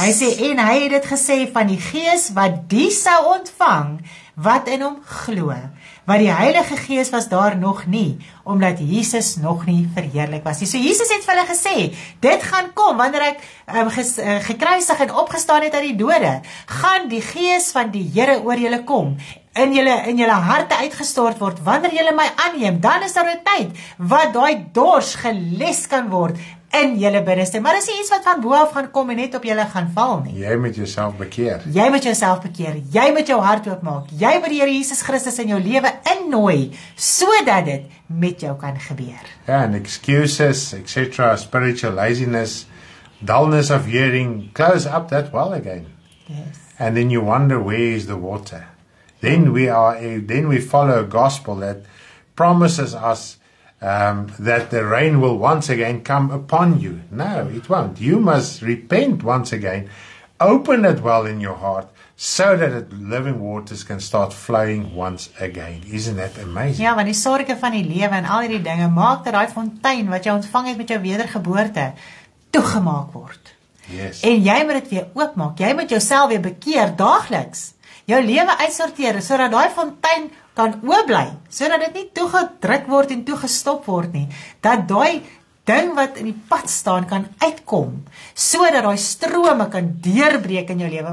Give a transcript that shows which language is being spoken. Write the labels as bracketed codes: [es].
[af] Hy sê, en hy het dit gesê van die gees wat die sou ontvang, wat in hom glo, want die Heilige Gees was daar nog nie, omdat Jesus nog nie verheerlik was nie. So Jesus het vir hulle gesê, dit gaan kom, wanneer ek gekruisig en opgestaan het uit die dode, gaan die Gees van die Here oor julle kom, in julle harte uitgestort word, wanneer julle my aanneem, dan is daar 'n tyd, wat daai dors geles kan word, in julle binneste. Maar is nie iets wat van boaf gaan kom en net op julle gaan val nie. Jy moet jouself bekeer. Jy moet jouself bekeer. Jy moet jou hart oopmaak. Jy moet die Here Jesus Christus in jou lewe innooi, sodat dit met jou kan gebeur. [en] Ja, and excuses, etc., spiritual laziness, dullness of hearing, close up that well again. Yes. And then you wonder, where is the water? Then we follow a gospel that promises us that the rain will once again come upon you. No, it won't. You must repent once again, open it well in your heart, so that the living waters can start flowing once again. Isn't that amazing? [af] Ja, want die sorge van die lewe en al die dinge maak dat die fontein wat jy ontvang het met jou wedergeboorte toegemaak word. [en] Yes. [af] En jy moet dit weer oopmaak. Jy moet jouself weer bekeer daagliks. Jou lewe uitsorteer, so dat die fontein kan oorbly, so dat dit nie toegedruk word en toegestop word nie, dat daai ding wat in die pad staan kan uitkom, so dat daai strome kan deurbreek in jou lewe.